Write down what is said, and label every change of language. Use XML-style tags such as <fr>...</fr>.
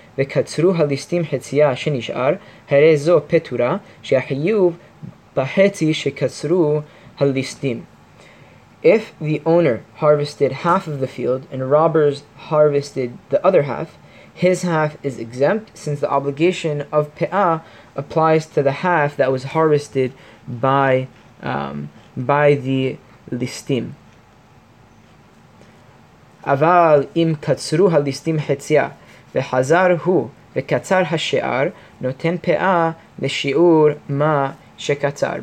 <he>וקצרו הליסטים חצייה שנשאר, הרי זו פטורה, שהחיוב בחצי שקצרו הליסטים.</he> <en>If the owner harvested half of the field and robbers harvested the other half, his half is exempt since the obligation of pe'ah applies to the half that was harvested by the listim.</en> <he>אבל אם קצרו הליסטים חצייה, וחזר הוא וקצר השאר נותן פאה לשיעור מה שקצר.</he>